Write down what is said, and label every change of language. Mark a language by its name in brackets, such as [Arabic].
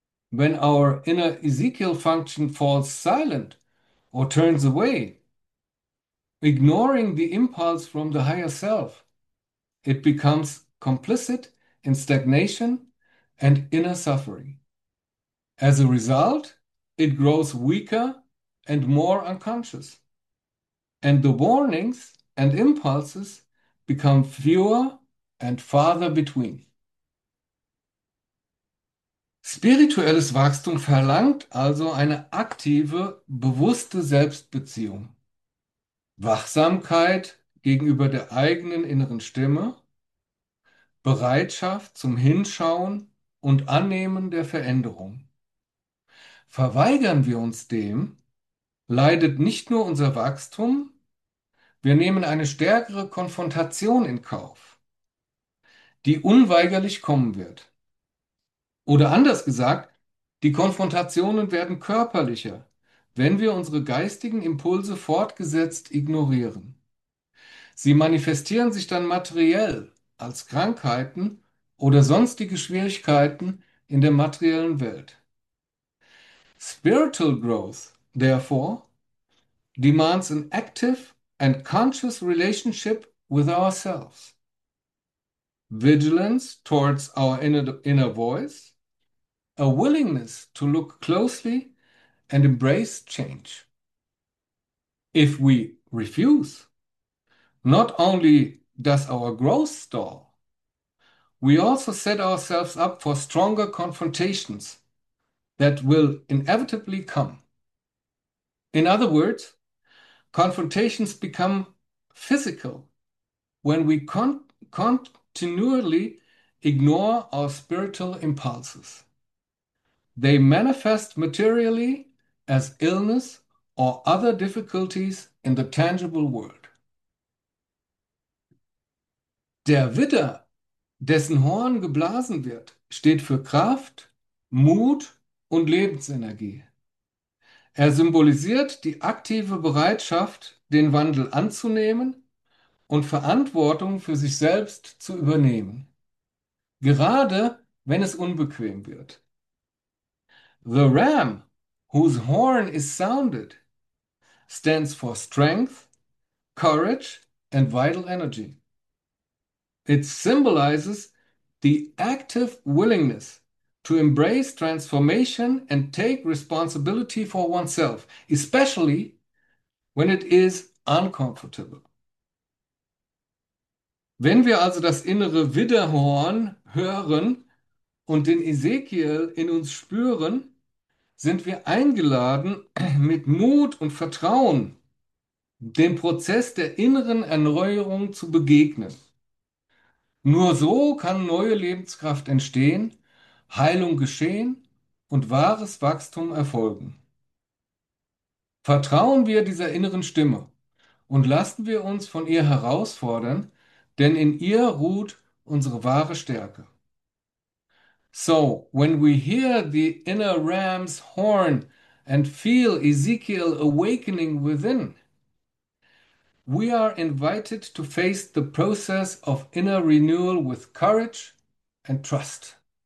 [English] When our inner Ezekiel function falls silent or turns away, ignoring the impulse from the higher self, it becomes complicit in stagnation and inner suffering. As a result, it grows weaker and more unconscious, and the warnings and impulses become fewer and farther between. [German] Spirituelles Wachstum verlangt also eine aktive, bewusste Selbstbeziehung. Wachsamkeit gegenüber der eigenen inneren Stimme, Bereitschaft zum Hinschauen und Annehmen der Veränderung. Verweigern wir uns dem, leidet nicht nur unser Wachstum, wir nehmen eine stärkere Konfrontation in Kauf, die unweigerlich kommen wird. Oder anders gesagt, die Konfrontationen werden körperlicher, wenn wir unsere geistigen Impulse fortgesetzt ignorieren. Sie manifestieren sich dann materiell als Krankheiten oder sonstige Schwierigkeiten, in der materiellen Welt. [English] Spiritual growth, therefore, demands an active and conscious relationship with ourselves. Vigilance towards our inner voice, a willingness to look closely and embrace change. If we refuse, not only does our growth stall, we also set ourselves up for stronger confrontations that will inevitably come. In other words, confrontations become physical when we continually ignore our spiritual impulses. They manifest materially as illness or other difficulties in the tangible world. [German] Der Widder, dessen Horn geblasen wird, steht für Kraft, Mut und Lebensenergie. Er symbolisiert die aktive Bereitschaft, den Wandel anzunehmen und Verantwortung für sich selbst zu übernehmen, gerade wenn es unbequem wird. [English] The ram, whose horn is sounded, stands for strength, courage, and vital energy. It symbolizes the active willingness to embrace transformation and take responsibility for oneself, especially when it is uncomfortable. [German] Wenn wir also das innere Widderhorn hören und den Ezekiel in uns spüren, sind wir eingeladen, mit Mut und Vertrauen dem Prozess der inneren Erneuerung zu begegnen. Nur so kann neue Lebenskraft entstehen, Heilung geschehen und wahres Wachstum erfolgen. Vertrauen wir dieser inneren Stimme und lassen wir uns von ihr herausfordern, denn in ihr ruht unsere wahre Stärke. [English] So, when we hear the inner ram's horn and feel Ezekiel awakening within, we are invited to face the process of inner renewal with courage and trust.